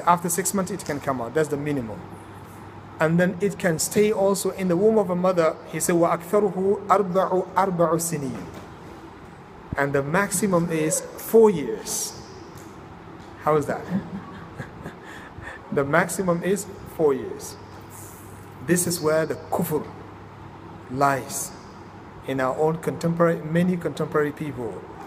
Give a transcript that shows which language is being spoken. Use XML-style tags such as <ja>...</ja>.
<en>After 6 months, it can come out. That's the minimum. And then it can stay also in the womb of a mother. He said,</en> <ar>وَأَكْثَرُهُ أَرْبَعُ سِنِينَ.</ar> <en>And the maximum is 4 years. How is that? The maximum is 4 years. This is where the kufr lies in our own many contemporary people.</en>